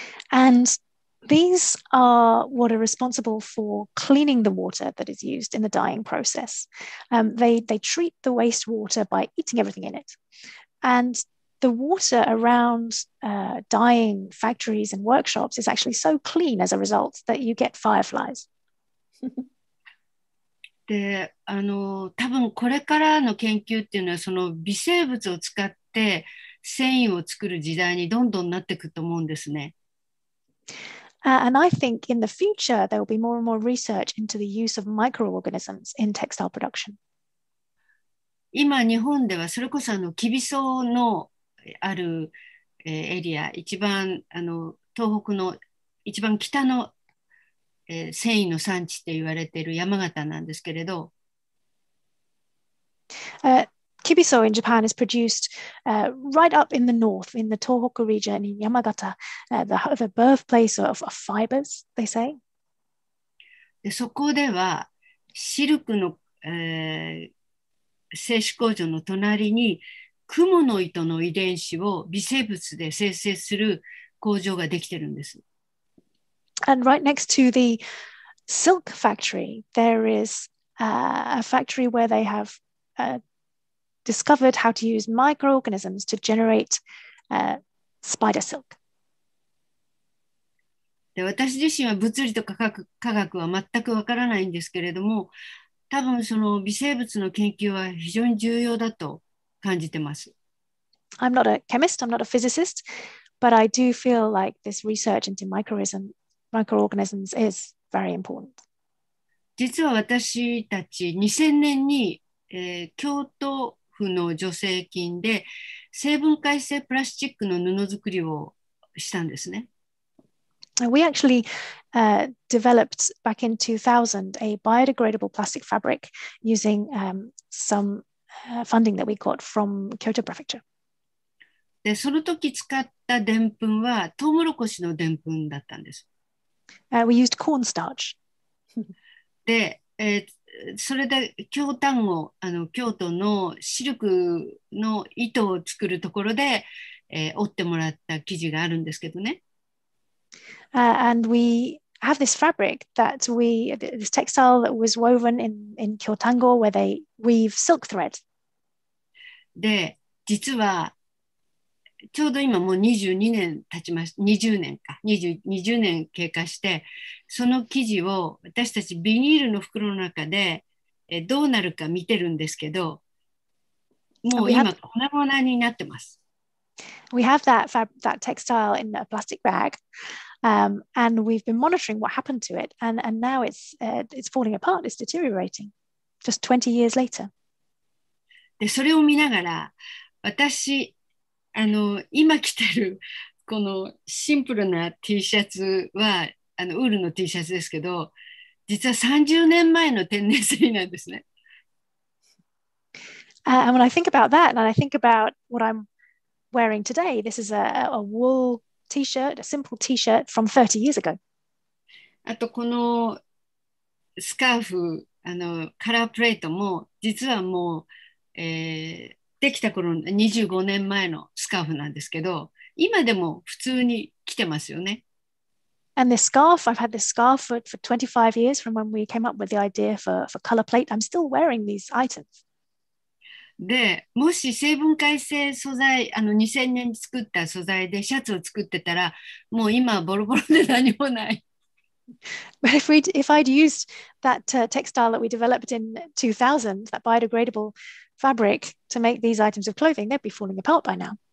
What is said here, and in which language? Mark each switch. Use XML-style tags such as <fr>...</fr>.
<en>And these are what are responsible for cleaning the water that is used in the dyeing process. They treat the wastewater by eating everything in it. And the water around dyeing factories and workshops is actually so clean as a result that you get fireflies.</en> <ja>で多分これからの研究っていうのはその微生物を使って繊維を作る時代にどんどんなっていくと思うんですね。</ja> <en>And I think in the future there will be more and more research into the use of microorganisms in textile production.</en> <ja>今日本ではそれこそキビソのあるエリア、一番東北の一番北の繊維の産地って言われている山形なんですけれど、</ja> <en>Kibiso in Japan is produced right up in the north, in the Tohoku region in Yamagata, the birthplace of fibers, they say.</en> <ja>で、そこではシルクの、製紙工場の隣にクモの糸の遺伝子を微生物で生成する工場ができてるんです。</ja> <en>And right next to the silk factory, there is a factory where they have discovered how to use microorganisms to generate spider silk.</en> <ja>で、私自身は物理と科学は全くわからないんですけれども、多分その微生物の研究は非常に重要だと感じてます。</ja> <en>I'm not a chemist, I'm not a physicist, but I do feel like this research into microorganisms is very important.</en> <ja>実は私たち2000年に、京都府の助成金で生分解性プラスチックの布作りをしたんですね。</ja> <en>We actually developed back in 2000 a biodegradable plastic fabric using some funding that we got from Kyoto Prefecture.</en> <ja>で、その時使ったでんぷんはトウモロコシのでんぷんだったんです。</ja> <en>We used corn starch.</en> <ja>で、それで京丹後、京都のシルクの糸を作るところで、織ってもらった生地があるんですけどね。</ja> <en>And we have this fabric that we, this textile that was woven in Kyotango where they weave silk thread.</en> <ja>で、実は、ちょうど今もう22年経ちました。20年か。 20年経過して、その生地を私たちビニールの袋の中でどうなるか見てるんですけど、もう今粉々になってます。</ja> <en>We have that textile in a plastic bag, and we've been monitoring what happened to it, and now it's falling apart, it's deteriorating, just 20 years later.</en> <ja>で、それを見ながら、私、今着てるこのシンプルな T シャツはウールの T シャツですけど、実は30年前の天然繊維なんですね。</ja> <en>And when I think about that, and I think about what I'm wearing today, this is a wool T-shirt, a simple T-shirt from 30 years ago.</en> <ja>あとこのスカーフ、カラープレートも実はもう、できた頃25年前のスカーフなんですけど、今でも普通に着てますよね。</ja> <en>And this scarf, I've had this scarf for 25 years from when we came up with the idea for color plate. I'm still wearing these items.</en> <ja>で、もし生分解性素材、2000年に作った素材でシャツを作ってたら、もう今はボロボロで何もない。</ja> <en>But if I'd used that textile that we developed in 2000, that biodegradable fabric to make these items of clothing, they'd be falling apart by now.</en>